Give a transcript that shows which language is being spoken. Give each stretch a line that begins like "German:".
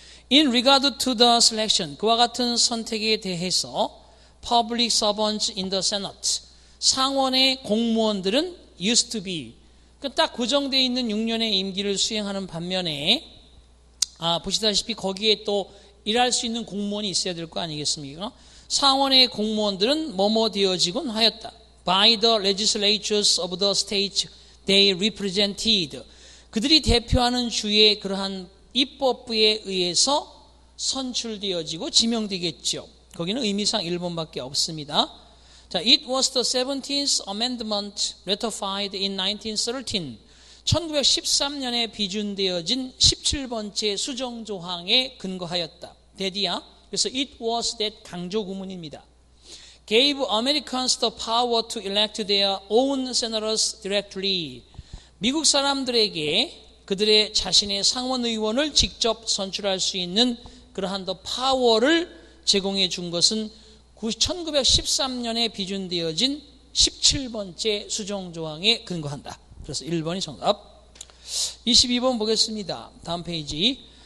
English: In regard to the selection,
Korean: 그와 같은 선택에 대해서
English: public servants in the Senate,
Korean: 상원의 공무원들은
English: used to be
Korean: 딱 고정되어 있는 6년의 임기를 수행하는 반면에, 보시다시피 거기에 또 일할 수 있는 공무원이 있어야 될거 아니겠습니까? 상원의 공무원들은 뭐뭐 되어지곤 하였다.
English: By the legislatures of the states they represented.
Korean: 그들이 대표하는 주의 그러한 입법부에 의해서 선출되어지고 지명되겠죠. 거기는 의미상 1번밖에 없습니다. 자,
English: it was the 17th Amendment ratified in 1913.
Korean: 1913년에 비준되어진 17번째 수정 조항에 근거하였다. 대디야. 그래서
English: it was that
Korean: 강조 구문입니다.
English: gave Americans the power to elect their own senators directly.
Korean: 미국 사람들에게 그들의 자신의 상원 의원을 직접 선출할 수 있는 그러한 the 파워를 제공해 준 것은 1913년에 비준되어진 17번째 수정 조항에 근거한다. 그래서 1번이 정답. 22번 보겠습니다. 다음 페이지.